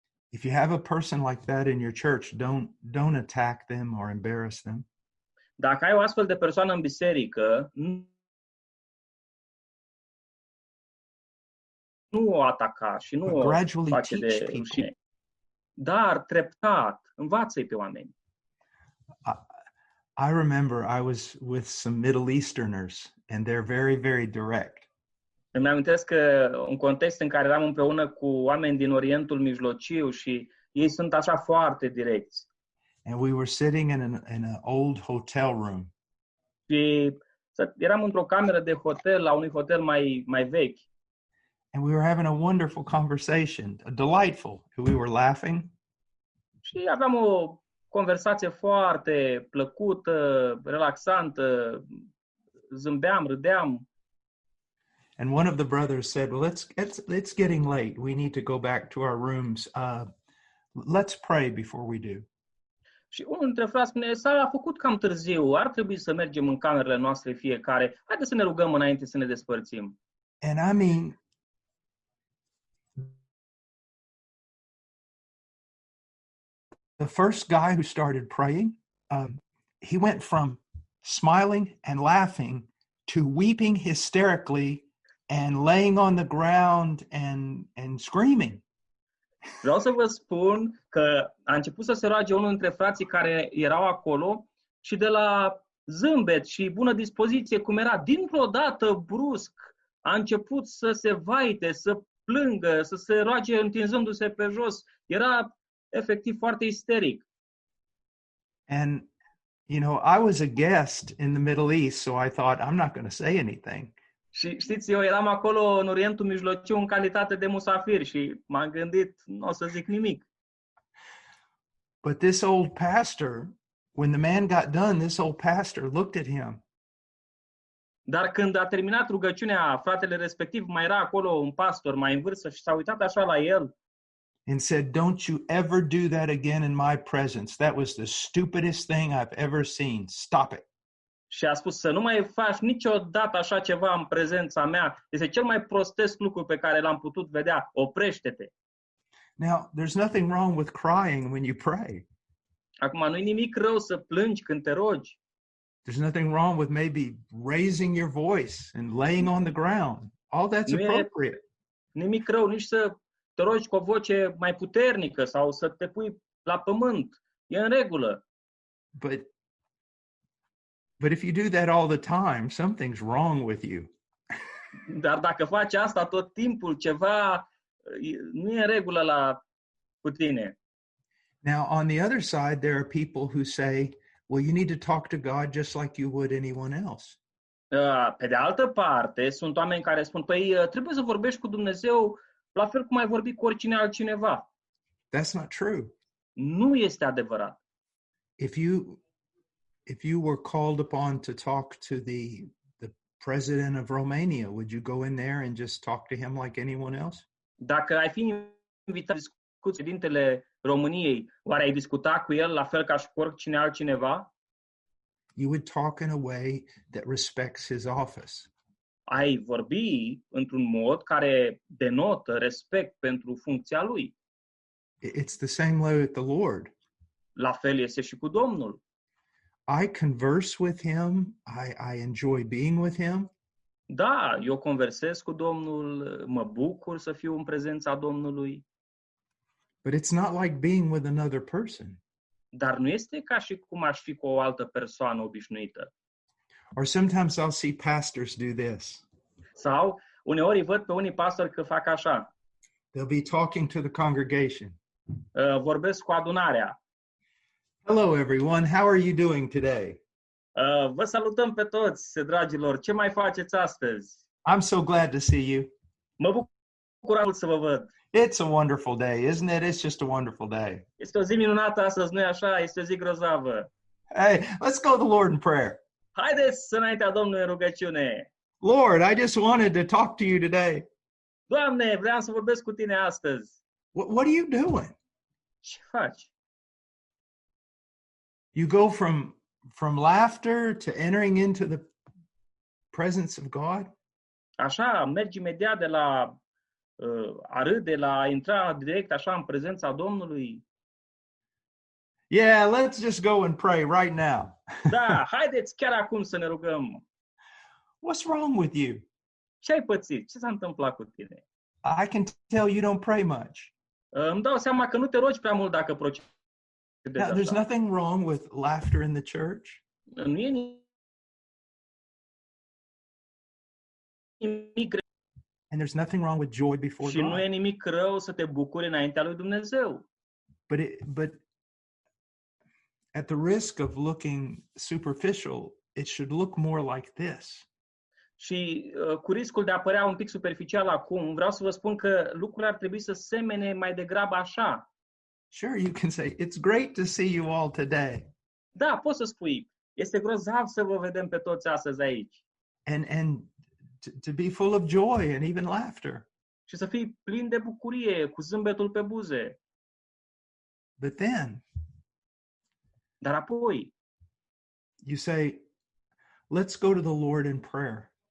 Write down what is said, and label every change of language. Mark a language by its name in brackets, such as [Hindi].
[English] If you have a person like that in your church, don't attack them or embarrass them. [Romanian] Dacă ai o astfel de persoană în biserică, nu o ataca și nu o face de rușine. Dar treptat, învață-i pe oameni. [English] I remember I was with some Middle Easterners and they're very, very direct. [Romanian] Îmi amintesc că un context în care eram împreună cu oameni din Orientul Mijlociu și ei sunt așa foarte direcți. [English] And we were sitting in an old hotel room. [Romanian] Și eram într-o cameră de hotel, la unui hotel mai vechi. [English] And we were having a wonderful conversation, a delightful, we were laughing. [Romanian] Și aveam o conversație foarte plăcută, relaxantă, zâmbeam, râdeam. [English] And one of the brothers said, well, it's getting late. We need to go back to our rooms. Let's pray before we do. [Romanian] Și unul dintre frați spune, s-a făcut cam târziu. Ar trebui să mergem în camerele noastre fiecare. Haideți să ne rugăm înainte să ne despărțim. [English] And I mean, the first guy who started praying, he went from smiling and laughing to weeping hysterically and laying on the ground and screaming. [Romanian] Vreau să vă spun că a început să se roage unul dintre frații care erau acolo și de la zâmbet și bună dispoziție cum era, dintr-o dată brusc a început să se vaite, să plângă, să se roage întinzându-se pe jos. Era efectiv foarte isteric. [English] And you know, I was a guest in the Middle East, so I thought I'm not going to say anything. [Romanian] Și știți, eu eram acolo în Orientul Mijlociu în calitate de musafir și m-am gândit, nu o să zic nimic. [English] But this old pastor, when the man got done, this old pastor looked at him. [Romanian] Dar când a terminat rugăciunea, fratele respectiv mai era acolo un pastor mai în vârstă și s-a uitat așa la el. [English] And said, don't you ever do that again in my presence. That was the stupidest thing I've ever seen. Stop it. [Romanian] Și a spus să nu mai faci niciodată așa ceva în prezența mea. Este cel mai prostesc lucru pe care l-am putut vedea. Oprește-te. [English] Now, there's nothing wrong with crying when you pray. [Romanian] Acum, nu-i nimic rău să plângi când te rogi. [English] There's nothing wrong with maybe raising your voice and laying on the ground. All that's appropriate. [Romanian] Nimic rău nici să te rogi cu o voce mai puternică sau să te pui la pământ. E în regulă. [English] But if you do that all the time, something's wrong with you. [Romanian] Dar dacă faci asta tot timpul, ceva nu e în regulă la cu tine. [English] Now, on the other side, there are people who say, well, you need to talk to God just like you would anyone else. [Romanian] Pe de altă parte, sunt oameni care spun, păi, trebuie să vorbești cu Dumnezeu la fel cum ai vorbi cu oricine altcineva. [English] That's not true. [Romanian] Nu este adevărat. [English] If you were called upon to talk to the president of Romania, would you go in there and just talk to him like anyone else? [Romanian] Dacă ai fi invitat să discuți cu președintele României, oare ai discuta cu el la fel ca și cu oricine altcineva? [English] You would talk in a way that respects his office. [Romanian] Ai vorbi într-un mod care denotă respect pentru funcția lui. [English] It's the same way with the Lord. [Romanian] La fel este și cu Domnul. [English] I converse with him. I enjoy being with him. [Romanian] Da, eu conversez cu Domnul, mă bucur să fiu în prezența Domnului. [English] But it's not like being with another person. [Romanian] Dar nu este ca și cum aș fi cu o altă persoană obișnuită. [English] Or sometimes I'll see pastors do this. [Romanian] Sau uneori văd pe unii pastori că fac așa. [English] They'll be talking to the congregation. [Romanian] Vorbesc cu adunarea. [English] Hello everyone, how are you doing today? [Romanian] Vă salutăm pe toți, dragilor. Ce mai faceți astăzi? [English] I'm so glad to see you. [Romanian] Mă bucur să vă văd. [English] It's a wonderful day, isn't it? It's just a wonderful day. [Romanian] Este o zi minunată astăzi, nu-i așa? Este o zi grozavă. [English] Hey, let's go to the Lord in prayer. [Romanian] Haideți înaintea Domnului în rugăciune. [English] Lord, I just wanted to talk to you today. [Romanian] Doamne, vreau să vorbesc cu tine astăzi. [English] What are you doing? [Romanian] Ce faci? [English] You go from laughter to entering into the presence of God? [Romanian] Așa, mergi imediat de la a râde, la a intra direct așa în prezența Domnului. [English] Yeah, let's just go and pray right now. [Romanian] Da, haideți chiar acum să ne rugăm. [English] What's wrong with you? [Romanian] Ce ai pățit? Ce s-a întâmplat cu tine? [English] I can tell you don't pray much. [Romanian] Îmi dau seama că nu te rogi prea mult dacă procedezi. [English] Now, there's nothing wrong with laughter in the church. [Romanian] Nu e nimic rău. [English] And there's nothing wrong with joy before [Romanian] și [English] God. [Romanian] Și nu e nimic rău să te bucuri înaintea lui Dumnezeu. [English] But at the risk of looking superficial, it should look more like this. [Romanian] Și cu riscul de a părea un pic superficial acum, vreau să vă spun că lucrurile ar trebui să semene mai degrabă așa. [English] Sure, you can say, it's great to see you all today. [Romanian] Da, poți să spui. Este grozav să vă vedem pe toți astăzi aici. [English] And to be full of joy and even laughter. [Romanian] Și să fii plin de bucurie, cu zâmbetul pe buze. [English] But then, [Romanian] dar apoi, [English] you say, let's go to the Lord in prayer.